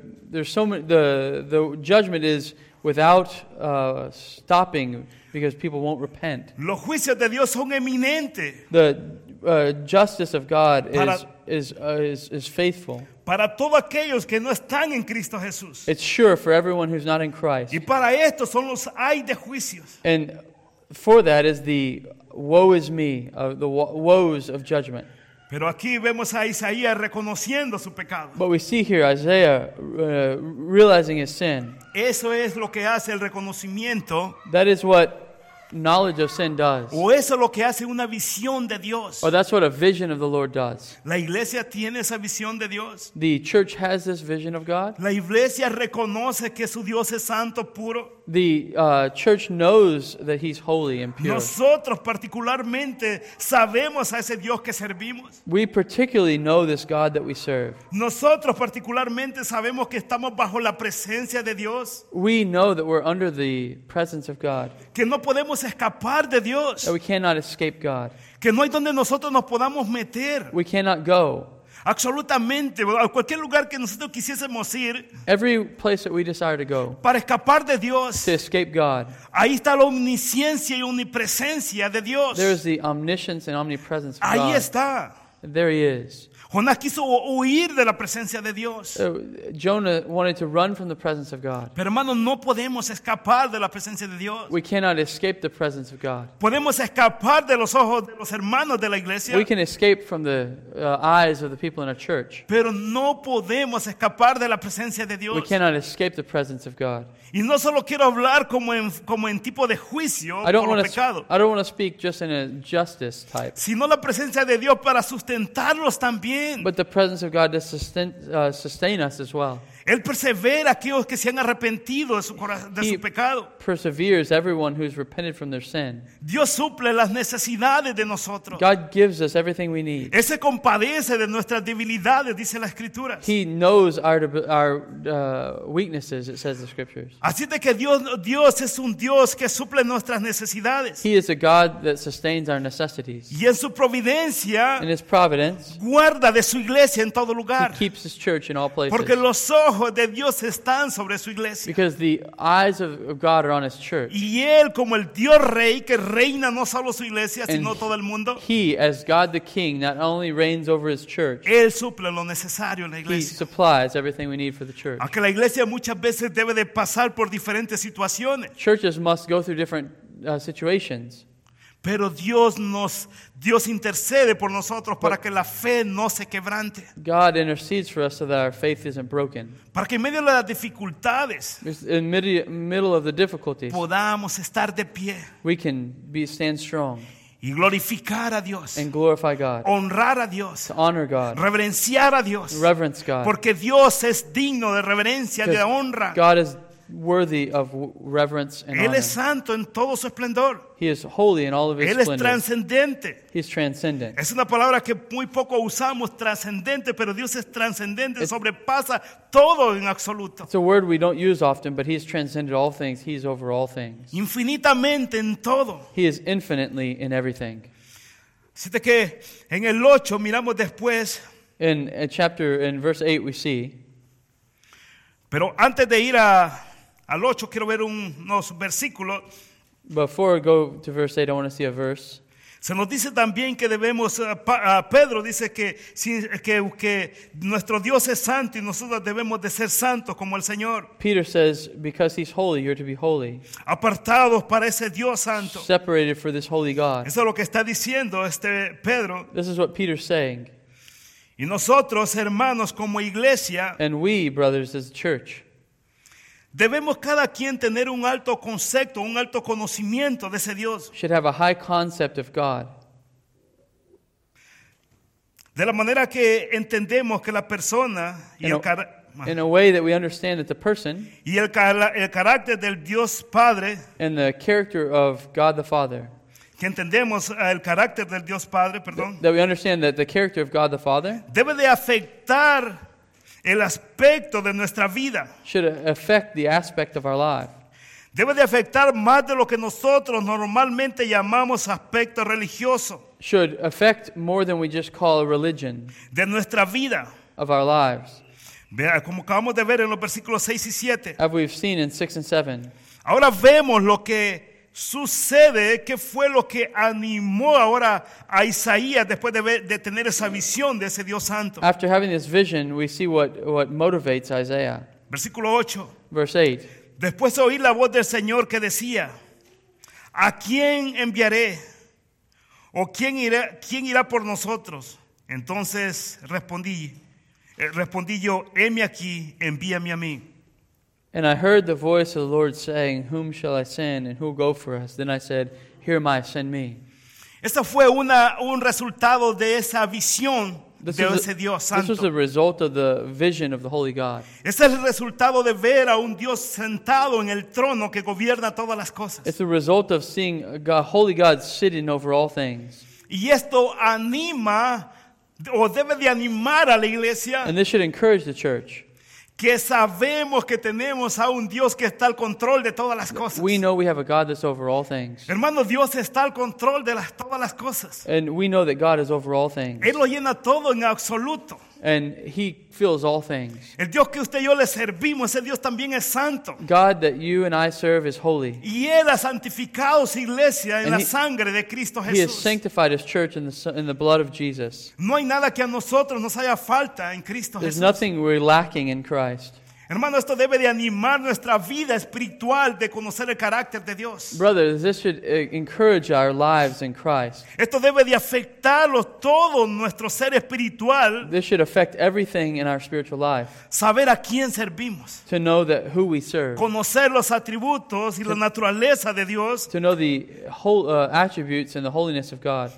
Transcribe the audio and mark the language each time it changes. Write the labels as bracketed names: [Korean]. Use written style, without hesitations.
[English] The judgment is without stopping because people won't repent. [Spanish] Los juicios de Dios son eminentes. [English] The justice of God is faithful. [Spanish] Para todos aquellos que no están en Cristo Jesús. [English] It's sure for everyone who's not in Christ. [Spanish] Y para esto son los ay de juicios. [English] And for that is the woe is me, the woes of judgment. [Spanish] Pero aquí vemos a Isaías reconociendo su pecado. [English] But we see here Isaiah realizing his sin. [Spanish] Eso es lo que hace el reconocimiento. [English] That is what knowledge of sin does. [Spanish] O eso es lo que hace una visión de Dios. [English] Or that's what a vision of the Lord does. [Spanish] La iglesia tiene esa visión de Dios. [English] The church has this vision of God. [Spanish] La iglesia reconoce que su Dios es santo, puro. [English] The church knows that he's holy and pure. [Spanish] Nosotros particularmente sabemos a ese Dios que servimos. [English] We particularly know this God that we serve. [Spanish] Nosotros particularmente sabemos que estamos bajo la presencia de Dios. [English] We know that we're under the presence of God. [Spanish] Que no podemos escapar de Dios. [English] That we cannot escape God. [Spanish] Que no hay donde nosotros nos podamos meter. [English] We cannot go. [Spanish] Absolutamente, a cualquier lugar que nosotros quisiésemos ir, [English] every place that we desire to go, [Spanish] para escapar de Dios, [English] to escape God, [Spanish] ahí está la omnisciencia y omnipresencia de Dios. [English] There is the omniscience and omnipresence of [Spanish] ahí [English] God. [Spanish] Ahí está. [English] There he is. [Spanish] Jonás quiso huir de la presencia de Dios. [English] Jonah wanted to run from the presence of God. [Spanish] Pero hermano, no podemos escapar de la presencia de Dios. [English] We cannot escape the presence of God. [Spanish] Podemos escapar de los ojos de los hermanos de la iglesia. [English] We can escape from the eyes of the people in our church. [Spanish] Pero no podemos escapar de la presencia de Dios. [English] We cannot escape the presence of God. [Spanish] Y no solo quiero hablar como en tipo de juicio por el pecado. [English] I don't want to speak just in a justice type. [Spanish] Sino la presencia de Dios para sustentarlos también. también. [English] But the presence of God does sustain us as well. [Spanish] Él persevera a aquellos que se han arrepentido de su pecado. [English] He perseveres everyone who's repented from their sin. [Spanish] Dios suple las necesidades de nosotros. [English] God gives us everything we need. [Spanish] Él se compadece de nuestras debilidades, dice la Escritura. [English] He knows our weaknesses, it says the Scriptures. [Spanish] Así de que Dios es un Dios que suple nuestras necesidades. [English] He is a God that sustains our necessities. [Spanish] Y en su providencia, [English] in His providence, [Spanish] guarda de su iglesia en todo lugar. [English] He keeps His church in all places. [Spanish] Porque los ojos de Dios están sobre su iglesia. [English] Because the eyes of God are on His church. [Spanish] Y Él como el Dios Rey que reina no solo su iglesia sino todo el mundo. [English] He, as God the King, not only reigns over His church. [Spanish] Él suple lo necesario en la iglesia. [English] He supplies everything we need for the church. [Spanish] Aunque la iglesia muchas veces debe de pasar por diferentes situaciones. [English] Churches must go through different situations. [Spanish] Pero Dios intercede por nosotros para que la fe no se quebrante. [English] God intercedes for us so that our faith isn't broken. [Spanish] Para que en medio de las dificultades, [English] in the middle of the difficulties, [Spanish] podamos estar de pie. [English] We can stand strong. [Spanish] Y glorificar a Dios. [English] And glorify God. [Spanish] Honrar a Dios. [English] To honor God. [Spanish] Reverenciar a Dios. [English] Reverence God. [Spanish] Porque Dios es digno de reverencia, de honra. [English] God is worthy of reverence and [Spanish] Él [English] honor. [Spanish] Es santo en todo su esplendor. [English] He is holy in all of His [Spanish] Él [English] splendor. [Spanish] Es transcendente. [English] He is transcendent. [Spanish] Es una palabra que muy poco usamos, transcendente, pero Dios es transcendente, sobrepasa todo en absoluto. [English] It's a word we don't use often, but He has transcended all things. He is over all things. [Spanish] Infinitamente en todo. [English] He is infinitely in everything. [Spanish] Así que en el 8 miramos después. [English] In verse 8 we see. [Spanish] Pero antes de ir al 8, quiero ver unos versículos. [English] Before I go to verse 8, I want to see a verse. [Spanish] Se nos dice también que debemos, Pedro dice que nuestro Dios es santo y nosotros debemos de ser santos como el Señor. [English] Peter says, because He's holy, you're to be holy. [Spanish] Apartados para ese Dios santo. [English] Separated for this holy God. [Spanish] Eso es lo que está diciendo Pedro. [English] This is what Peter's saying. [Spanish] Y nosotros, hermanos, como iglesia, [English] and we, brothers, as a church, [Spanish] debemos cada quien tener un alto concepto, un alto conocimiento de ese Dios. [English] Should have a high concept of God. [Spanish] De la manera que entendemos que la persona y [English] in a way that we understand that the person [Spanish] y el carácter del Dios Padre [English] and the character of God the Father. [Spanish] Que entendemos el carácter del Dios Padre, perdón. [English] That we understand that the character of God the Father [Spanish] debe de afectar el aspecto de nuestra vida. [English] Should affect the aspect of our life. [Spanish] Debe de afectar más de lo que nosotros normalmente llamamos aspecto religioso. [English] Should affect more than we just call religion. [Spanish] De nuestra vida. [English] Of our lives. [Spanish] Vea, como acabamos de ver en los versículos 6 y 7. [English] As we've seen in 6 and 7. [Spanish] Ahora vemos lo que sucede, ¿qué fue lo que animó ahora a Isaías después de tener esa visión de ese Dios santo? [English] After having this vision, we see what motivates Isaiah. [Spanish] Versículo 8. [English] Verse 8. [Spanish] Después de oír la voz del Señor que decía, ¿a quién enviaré? ¿O quién irá por nosotros? Entonces respondí yo, heme aquí, envíame a mí. [English] And I heard the voice of the Lord saying, whom shall I send and who will go for us? Then I said, here am I, send me. [Spanish] Esta fue un resultado de esa visión de ese Dios santo. [English] This was the result of the vision of the Holy God. [Spanish] Este es el resultado de ver a un Dios sentado en el trono que gobierna todas las cosas. [English] It's the result of seeing a Holy God sitting over all things. [Spanish] Y esto anima, o debe de animar a la iglesia. [English] And this should encourage the church. [Spanish] Que sabemos que tenemos a un Dios que está al control de todas las cosas. [English] We know we have a God that's over all things. [Spanish] Hermano, Dios está al control de todas las cosas. [English] And we know that God is over all things. [Spanish] Él lo llena todo en absoluto. [English] And He fills all things. [Spanish] El Dios que usted y yo le servimos, ese Dios también es santo. [English] God that you and I serve is holy. [Spanish] Y Él ha santificado su iglesia en la sangre de Cristo Jesús. [English] He has sanctified His church in the blood of Jesus. [Spanish] No hay nada que a nosotros nos haya falta en Cristo Jesús. [English] There's nothing we're lacking in Christ. [Spanish] Hermano, esto debe de animar nuestra vida espiritual de conocer el carácter de Dios. [English] Brothers, this should encourage our lives in Christ. [Spanish] Esto debe de afectarlo todo nuestro ser espiritual. [English] This should affect everything in our spiritual life. [Spanish] Saber a quién servimos. [English] To know that who we serve. [Spanish] Conocer los atributos y la naturaleza de Dios. [English] To know the whole attributes and the holiness of God.